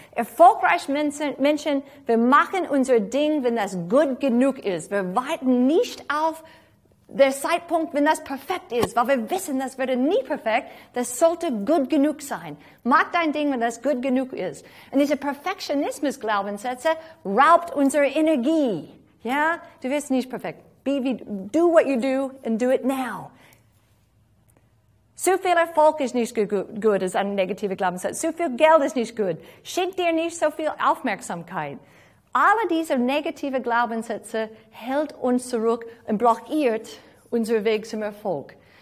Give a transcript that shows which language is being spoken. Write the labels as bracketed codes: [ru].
[de] Erfolgreiche Menschen, wir machen unser Ding, wenn das gut genug ist. Wir warten nicht auf den Zeitpunkt, wenn das perfekt ist, weil wir wissen, das wird nie perfekt. Das sollte gut genug sein. Mach dein Ding, wenn das gut genug ist. Und diese Perfektionismus-Glaubenssätze raubt unsere Energie. Ja? Du wirst nicht perfekt. [en] Do what you do and do it now. [de] Zu viel Erfolg ist nicht gut, ist ein negativer Glaubenssatz. Zu viel Geld ist nicht gut. Schick dir nicht so viel Aufmerksamkeit. Alle diese negativen Glaubenssätze hält uns zurück und blockiert unseren Weg zum Erfolg.